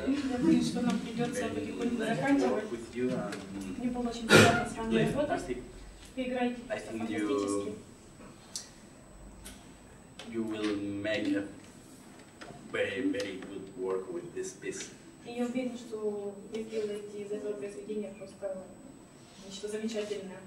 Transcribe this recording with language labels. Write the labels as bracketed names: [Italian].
[Russian] Я боюсь, что нам придется потихоньку заканчивать. Мне было очень приятно с вами работать. Поиграйте фантастически. [English] You will make a very, very good work with this piece. [Russian] И я уверена, что вы сделаете из этого произведения просто нечто замечательное.